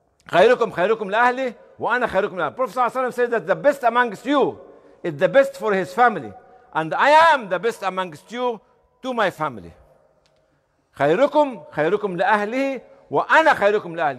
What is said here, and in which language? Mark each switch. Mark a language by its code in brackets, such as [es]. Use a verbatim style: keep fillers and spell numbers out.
[ar] خيركم خيركم لأهلي وأنا خيركم لأهلي. [en] Prophet [ar] صلى الله عليه وسلم [en] says that the best amongst you is the best for his family. And I am the best amongst you to my family. [ar] خيركم خيركم لأهلي وأنا خيركم لأهلي.